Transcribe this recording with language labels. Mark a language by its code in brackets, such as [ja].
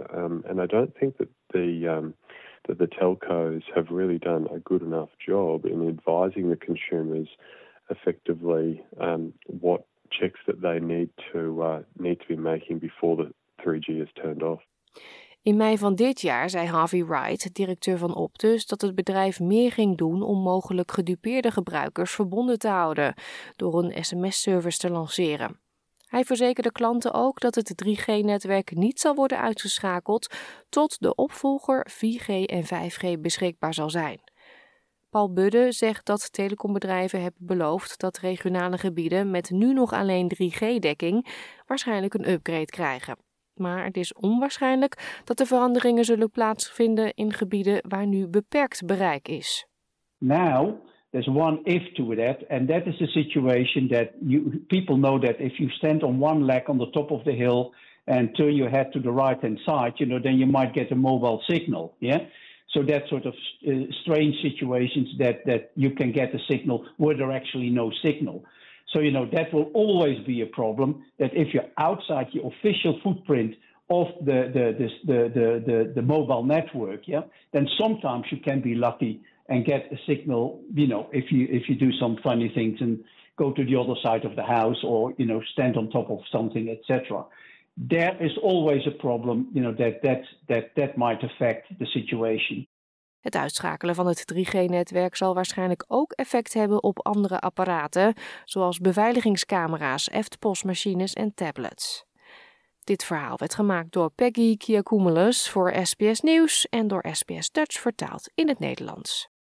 [en] And I don't think that the telcos have really done a good enough job in advising the consumers effectively what checks that they need to be making before the 3G is turned off. [nl] In mei van dit jaar zei Harvey Wright, directeur van Optus, dat het bedrijf meer ging doen om mogelijk gedupeerde gebruikers verbonden te houden door een sms-service te lanceren. Hij verzekerde klanten ook dat het 3G-netwerk niet zal worden uitgeschakeld tot de opvolger 4G en 5G beschikbaar zal zijn. Paul Budde zegt dat telecombedrijven hebben beloofd dat regionale gebieden met nu nog alleen 3G-dekking waarschijnlijk een upgrade krijgen. Maar het is onwaarschijnlijk dat de veranderingen zullen plaatsvinden in gebieden waar nu beperkt bereik is. [en] Now, there's one if to that, and that is the situation that people know that if you stand on one leg on the top of the hill and turn your head to the right hand side, you know, then you might get a mobile signal. Yeah? So that sort of strange situations that you can get a signal where there actually no signal. So, you know, that will always be a problem, that if you're outside your official footprint of the mobile network, yeah, then sometimes you can be lucky and get a signal, you know, if you do some funny things and go to the other side of the house or, you know, stand on top of something, etc. There is always a problem, you know, that might affect the situation. [nl] Het uitschakelen van het 3G-netwerk zal waarschijnlijk ook effect hebben op andere apparaten, zoals beveiligingscamera's, EFT-postmachines en tablets. Dit verhaal werd gemaakt door Peggy Kiakoumoulos voor SBS Nieuws en door SBS Dutch vertaald in het Nederlands.